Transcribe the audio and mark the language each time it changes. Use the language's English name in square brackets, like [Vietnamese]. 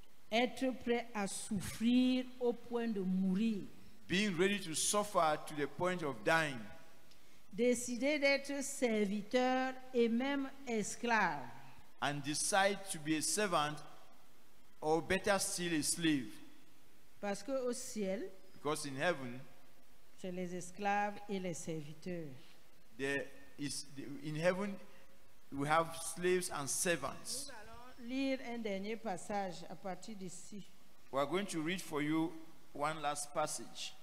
[French] Être prêt à souffrir au point de mourir. [English] Being ready to suffer to the point of dying. [French] Décider d'être serviteur et même esclave. [English] And decide to be a servant or better still a slave. [French] Parce que au ciel, [English] because in heaven, [French] c'est les esclaves et les serviteurs. [English] In heaven, we have slaves and servants. [French] Nous allons lire un dernier passage à partir d'ici. [English] We are going to read for you one last passage.